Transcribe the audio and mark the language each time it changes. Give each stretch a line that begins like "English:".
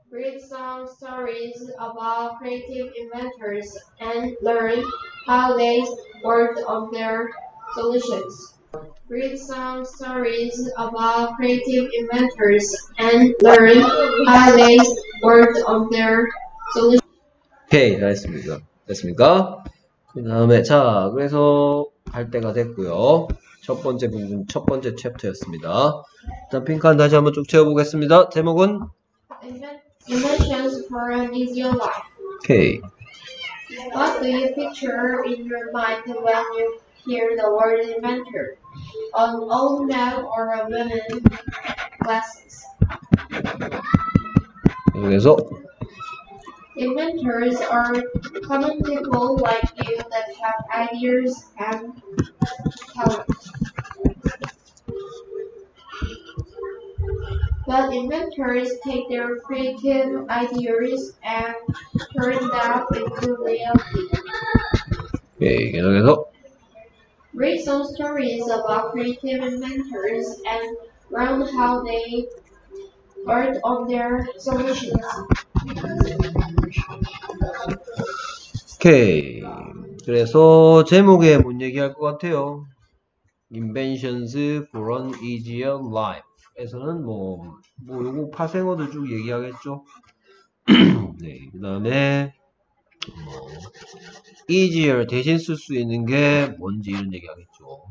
English: Read some stories about creative inventors and learn how they worked on their solutions. Read some stories about creative inventors and learn how they worked on their solutions.
Korean: Okay, 잘했습니다. 됐습니까? 그 다음에, 자, 그래서 할 때가 됐고요. 첫 번째 부분, 첫 번째 챕터였습니다. 일단 핑크한 다시 한번 쭉 채워보겠습니다. 제목은?
English: Inventions for an easier life. Okay. What do you picture in your mind when you hear the word inventor? An old man or a woman with glasses?
Korean: 여기서
English: Inventors are common people like you that have ideas and talent. But inventors take their creative ideas and turn them into reality. Okay, read some stories about creative inventors and learn how they earned on their solutions. Okay.
Korean: 그래서 제목에 뭔 얘기할 것 같아요?
English: Inventions for an easier life
Korean: 에서는 뭐 요거 파생어들 쭉 얘기하겠죠. 네. 그다음에 easier 대신 쓸 수 있는 게 뭔지 이런 얘기하겠죠.